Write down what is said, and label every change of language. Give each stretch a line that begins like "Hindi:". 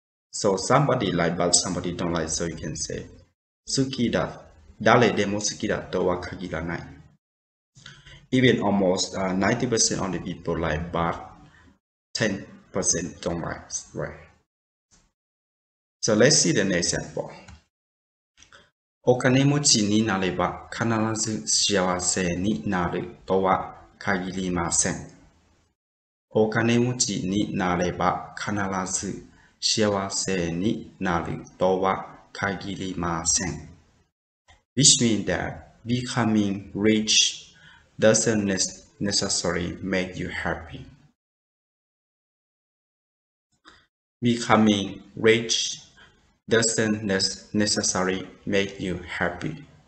English: So somebody like but somebody don't like, so you can say
Japanese: suki da, dare demo suki da to wa kagiranai.
English: Even almost 90% of the people like but 10% don't like, right? So let's see the next example.
Japanese: お金持ちになれば必ず幸せになるとは限りません。お金持ちになれば必ず幸せになるとは限りません。
English: Which means that becoming rich doesn't necessarily make you happy. Becoming rich doesn't necessarily make you happy.